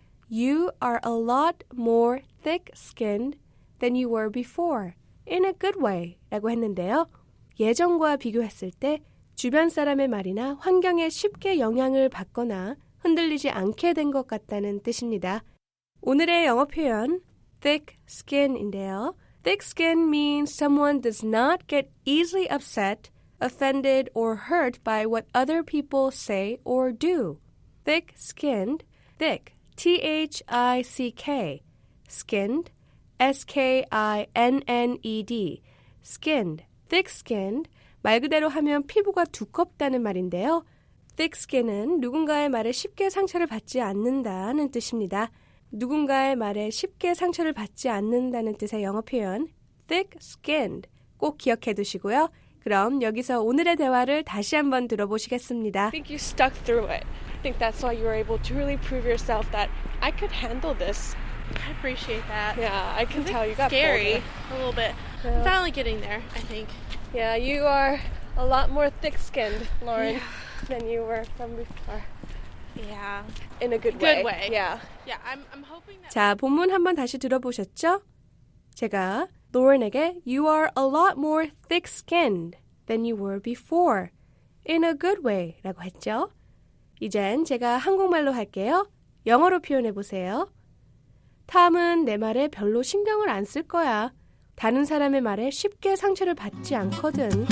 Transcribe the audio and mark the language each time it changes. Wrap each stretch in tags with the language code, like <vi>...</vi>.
<en>You are a lot more thick-skinned than you were before, in a good way,</en> <ko>라고 했는데요. 예전과 비교했을 때 주변 사람의 말이나 환경에 쉽게 영향을 받거나 흔들리지 않게 된 것 같다는 뜻입니다. 오늘의 영어 표현, thick skin인데요.</ko> <en>Thick skin means someone does not get easily upset, offended, or hurt by what other people say or do. Thick skinned, thick, T-H-I-C-K, skinned, S-K-I-N-N-E-D, skinned, thick skinned,</en> <ko>말 그대로 하면 피부가 두껍다는 말인데요. Thick skin은 누군가의 말에 쉽게 상처를 받지 않는다는 뜻입니다. 누군가의 말에 쉽게 상처를 받지 않는다는 뜻의 영어 표현 thick-skinned 꼭 기억해 두시고요. 그럼 여기서 오늘의 대화를 다시 한번 들어보시겠습니다.</ko> <en>I think you stuck through it. I think that's why you were able to really prove yourself that I could handle this. I appreciate that. Yeah, I can tell you got scary, bolder. A little bit. So, finally getting there, I think. Yeah, you are a lot more thick-skinned, Lauren, yeah. than you were from before. Yeah. In a good way. Good way. Yeah. Yeah, I'm hoping that...</en> <ko>자, 본문 한번 다시 들어보셨죠? 제가 Lauren에게</ko> <en>You are a lot more thick-skinned than you were before. In a good way.</en> <ko>라고 했죠? 이젠 제가 한국말로 할게요. 영어로 표현해보세요. Tom은 내 말에 별로 신경을 안 쓸 거야. 다른 사람의 말에 쉽게 상처를 받지 않거든.</ko>